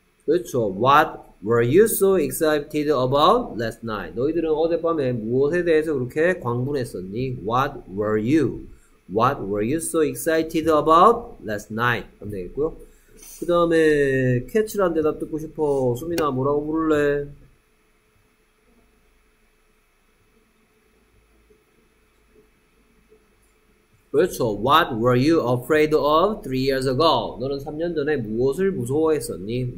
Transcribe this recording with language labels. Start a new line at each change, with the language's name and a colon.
English: What were you so excited about last night?
Korean: 너희들은 어젯밤에 무엇에 대해서 그렇게 광분했었니?
English: What were you so excited about last night?
Korean: 하면 되겠고요. 그 다음에 캐치란 대답 듣고 싶어. 수민아, 뭐라고 물을래?
English: What were you afraid of 3 years ago?
Korean: 너는 3년 전에 무엇을 무서워했었니?